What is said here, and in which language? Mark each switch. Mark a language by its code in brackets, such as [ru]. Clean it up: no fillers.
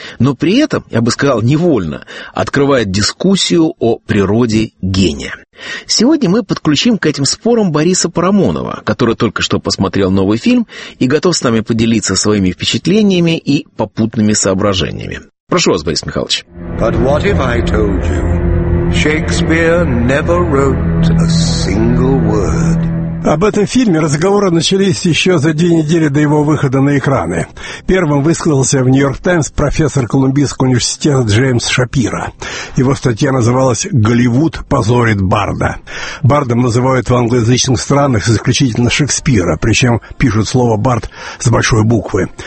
[ru] Но при этом, я бы сказал, невольно открывает дискуссию о природе гения. Сегодня мы подключим к этим спорам Бориса Парамонова, который только что посмотрел новый фильм и готов с нами поделиться своими впечатлениями и попутными соображениями. Прошу вас, Борис Михайлович. [en] But what if I told you Shakespeare never wrote a single word? [ru] Об этом фильме разговоры начались еще за 2 недели до его выхода на экраны. Первым высказался в «Нью-Йорк Таймс» профессор Колумбийского университета Джеймс Шапиро. Его статья называлась «Голливуд позорит Барда». Бардом называют в англоязычных странах исключительно Шекспира, причем пишут слово «бард» с большой буквы.